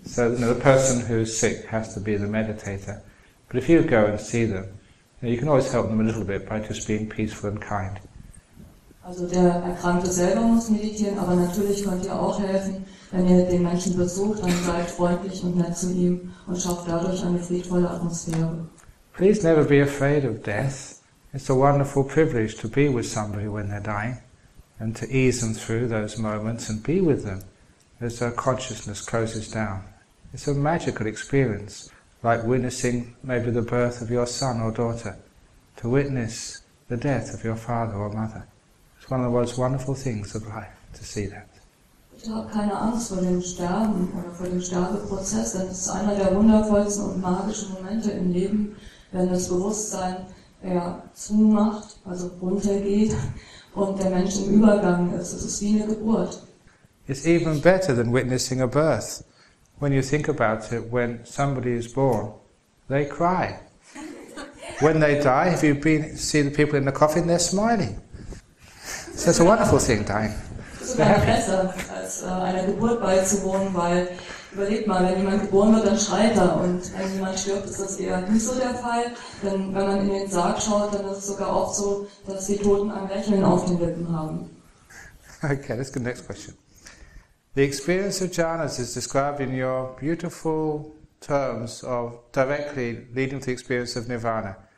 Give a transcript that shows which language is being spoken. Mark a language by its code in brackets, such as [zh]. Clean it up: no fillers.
[en] So you know, the person who is sick has to be the meditator. But if you go and see them, you can always help them a little bit by just being peaceful and kind. [de] Also der Erkrankte selber muss meditieren, aber natürlich könnt ihr auch helfen, wenn ihr den Menschen besucht, dann seid freundlich und nett zu ihm und schafft dadurch eine friedvolle Atmosphäre. [en] Please never be afraid of death. It's a wonderful privilege to be with somebody when they're dying and to ease them through those moments and be with them as their consciousness closes down. It's a magical experience. Like witnessing maybe the birth of your son or daughter, to witness the death of your father or mother. It's one of the most wonderful things of life to see that. [de] Ich habe keine Angst vor dem Sterben oder vor dem Sterbeprozess, denn es ist einer der wundervollsten und magischen Momente im Leben, wenn das Bewusstsein zumacht, also runtergeht und der Mensch im Übergang ist. Es ist wie eine Geburt. [en] It's even better than witnessing a birth. When you think about it, when somebody is born, they cry. When they die, have you seen the people in the coffin? They're smiling. So it's a wonderful thing, dying. [de] Es ist besser, als eine Geburt beizuwohnen, weil Überlegt mal, wenn jemand geboren wird, dann schreit er. Und wenn jemand stirbt, ist das eher nicht so der Fall. Denn wenn man in den Sarg schaut, dann ist es sogar oft so, dass die Toten ein Lächeln auf den Lippen haben. [en] Okay, let's go to the next question. The experience of jhanas is described in your beautiful terms of directly leading to the experience of nirvana.